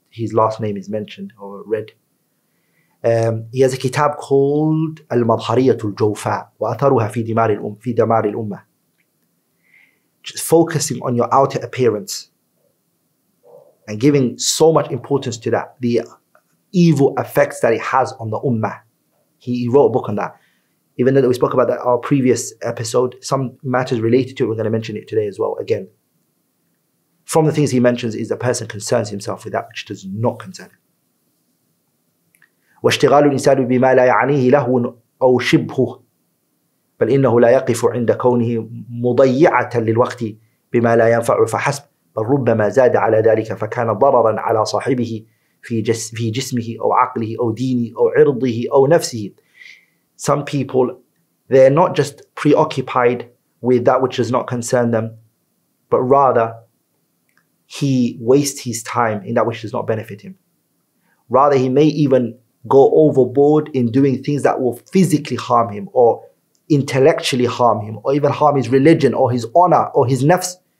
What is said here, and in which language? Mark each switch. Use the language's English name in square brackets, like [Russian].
[English] his last name is mentioned or read. He has a kitab called Al-Madhariyatul Jawfa wa atharuha fi dimar al-umma, focusing on your outer appearance and giving so much importance to that, the evil effects that it has on the ummah. He wrote a book on that. Even though we spoke about that our previous episode, some matters related to it, we're going to mention it today as well. Again, from the things he mentions is a person concerns himself with that which does not concern him. [Arabic] واشتغال الإنسان بما لا يعنيه لهو أو شبهه بل إنه لا يقف عند كونه مضيعة للوقت بما لا ينفع فحسب بل ربما زاد على ذلك فكان ضررا على صاحبه في جسمه أو عقله أو دينه أو عرضه أو نفسه. [English] Some people, they're not just preoccupied with that which does not concern them, but rather he wastes his time in that which does not benefit him. Rather, he may even go overboard in doing things that will physically harm him or intellectually harm him or even harm his religion or his honor or his nafs.